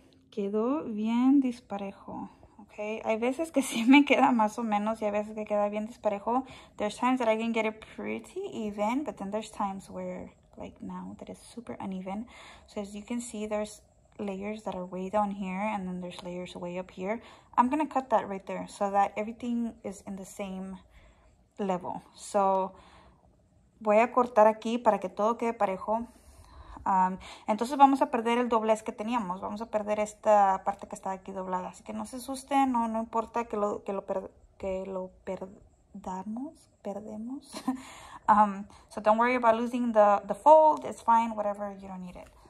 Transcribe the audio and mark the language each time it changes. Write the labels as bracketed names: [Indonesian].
[Spanish] Quedó bien disparejo, okay? Hay veces que sí me queda más o menos y hay veces que queda bien disparejo. [English] There's times that I can get it pretty even, but then there's times where, like now, that it's super uneven. So as you can see, there's layers that are way down here and then there's layers way up here. I'm gonna cut that right there so that everything is in the same level. [Spanish] So voy a cortar aquí para que todo quede parejo. Entonces vamos a perder el doblez que teníamos, vamos a perder esta parte que está aquí doblada, así que no se asusten, no importa que lo perdamos. [English] So don't worry about losing the fold, it's fine, whatever, you don't need it.